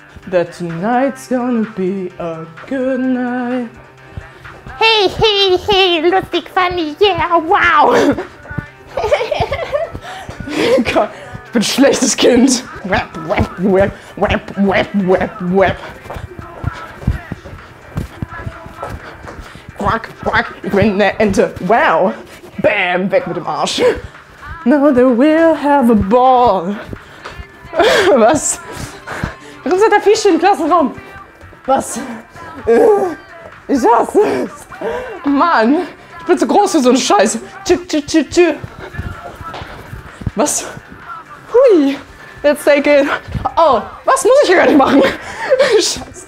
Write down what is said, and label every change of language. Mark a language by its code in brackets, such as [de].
[en] That tonight's gonna be a good night. Hey, hey, hey, lustig, funny, yeah, wow. [de] Gott, ich bin ein schlechtes Kind. Wap, wap, wap, wap, wap, wap, wap. Quack, quack, ich bin eine Ente, wow. Bam, weg mit dem Arsch. [en] Now they will have a ball. [de] Was? Warum sind da Fische im Klassenraum? Was? Ich hasse es. Mann, ich bin zu groß für so einen Scheiß. Tschüss, tschüss, tschüss, tschüss. Was? Hui, [en] let's take it. [de] Oh, was muss ich hier gar nicht machen? Scheiße.